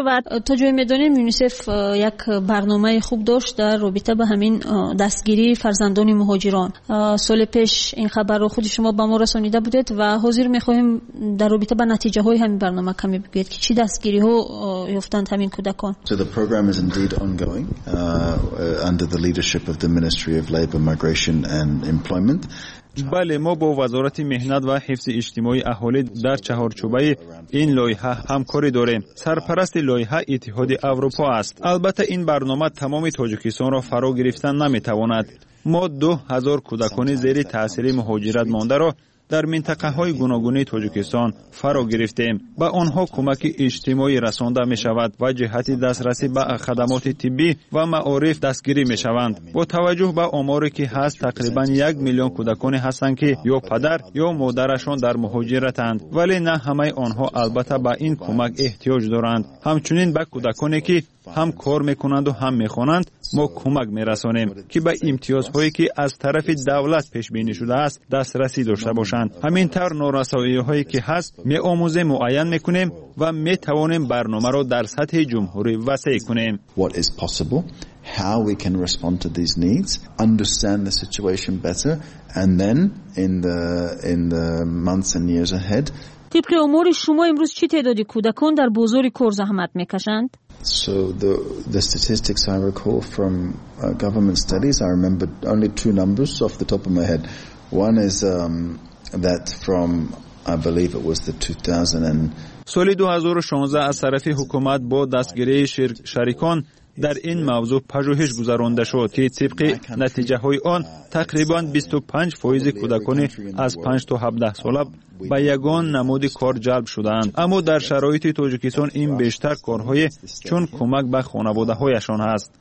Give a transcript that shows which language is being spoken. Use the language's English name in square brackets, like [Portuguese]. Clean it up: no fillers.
[Persian] و تا جایی می‌دانیم یونیسف یک برنامه خوب داشت در رابطه به همین دستگیری فرزندان مهاجران. سال پیش این خبر رو خود شما به ما رسانیده بودید و حاضر می‌خواهیم در رابطه به نتیجه های همین برنامه کمی بگید که چی دستگیری ها یافتند همین کودکان. [English] So the program is indeed ongoing. A under the leadership of the Ministry of Labour, Migration and Employment. [Persian] بله، ما با وزارت مهنت و حفظ اجتماعی اهالی در چهارچوبه این لایحه همکاری داریم. سرپرست لایحه اتحاد اروپا است. البته این برنامه تمام تاجیکستان را فرا گرفتن نمیتواند. ما 2000 کودکان زیر تاثیر مهاجرت مانده را در منطقه های گوناگونی تاجیکستان فرا گرفتیم. به آنها کمک اجتماعی رسانده می شود و جهت دسترسی به خدمات طبی و معارف دستگیری می شوند. با توجه به آماری که هست، تقریبا 1 میلیون کودکان هستند که یا پدر یا مادرشان در مهاجرتند، ولی نه همه آنها البته به این کمک احتیاج دارند. همچنین به کودکانی که هم کار میکنند و هم میخوانند ما کمک میرسانیم که به امتیازهایی که از طرف دولت پیش بینی شده است دسترسی داشته باشند. همین طور نورسایی هایی که هست میآموزه معین میکنیم و میتوانیم برنامه را در سطح جمهوری وسیع کنیم. [English] What is possible, how we can respond to these needs, understand the situation better, and then in the months and years ahead. [Persian] طبق امور شما امروز چه تعدادی کودکان در بازار کار زحمت میکشند؟ [English] So the statistics I recall from government studies, I remember only two numbers off the top of my head. One is that from, I believe it was the 2000. [Persian] سالی 2016 از طرف حکومت با دستگیری شریکان در این موضوع پژوهش گذرانده شد که طبق نتیجه های آن تقریبا 25% کودکان از 5 تا 17 ساله به یگان نمود کار جلب شدند. اما در شرایط تاجیکستان این بیشتر کارهای چون کمک به خانواده هایشان هست.